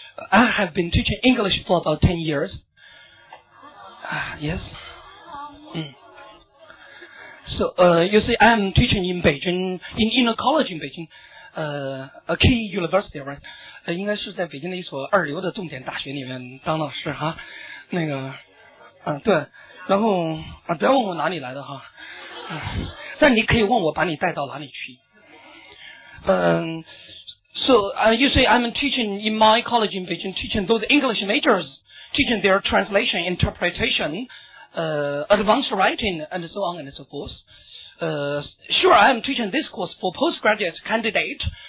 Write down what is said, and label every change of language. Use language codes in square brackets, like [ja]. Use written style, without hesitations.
[en] I have been teaching English for about 10 years. Yes. So, you see, I'm teaching in Beijing, in a college in Beijing, a key university, right? [zh] 应该是在北京的一所二流的重点大学里面当老师哈。那个，对，然后不要问我哪里来的哈，但你可以问我把你带到哪里去。 [en] You see, I'm teaching in my college in Beijing, teaching those English majors, teaching their translation, interpretation. Advanced writing and so on and so forth. Sure, I am teaching this course for postgraduate candidate.